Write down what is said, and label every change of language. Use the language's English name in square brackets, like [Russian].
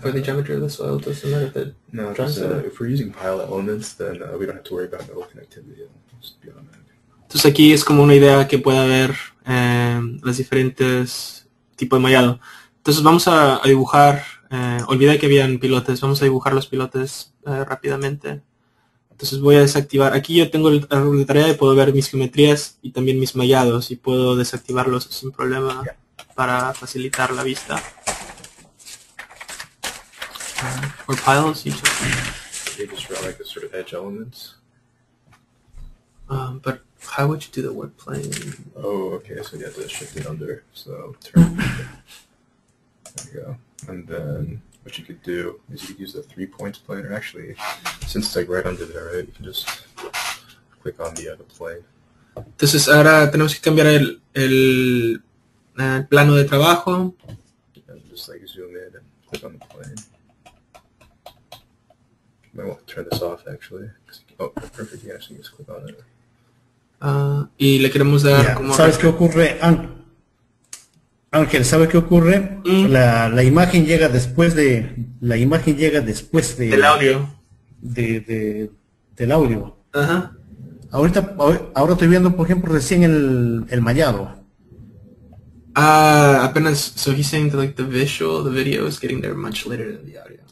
[English] For the geometry of the soil, it doesn't matter if it No, drives it. if we're using pile elements, then we don't have to worry about metal connectivity. Just be automatic. [Spanish] Entonces aquí es como una idea que puede haber las diferentes tipos de mallado. Entonces vamos a dibujar, olvidé que habían pilotes, vamos a dibujar los pilotes rápidamente. Entonces voy a desactivar, aquí yo tengo el árbol de tarea y puedo ver mis geometrías y también mis mallados y puedo desactivarlos sin problema para facilitar la vista. [English] For piles, you You just draw like the sort of edge elements. but how would you do the work plane? Oh, okay, so you have to shift it under. So turn under. There you go. And then what you could do is you could use the 3 points planner. Actually, since it's like right under there, right, you can just click on the other plane. [Spanish] Entonces ahora tenemos que cambiar el plano de trabajo. [English] And just like zoom in and click on the plane. Might want to turn this off actually. Oh, perfect. Yeah, so you just click on it. [Spanish] Y le queremos dar Ya, como ¿sabes qué rectángulo. ocurre, Ángel? ¿Sabe qué ocurre? La imagen llega después de la imagen llega después Del audio. del audio. Ahora estoy viendo, por ejemplo, recién el mallado. Apenas, [English] so he's saying that like the visual, the video is getting there much later than the audio.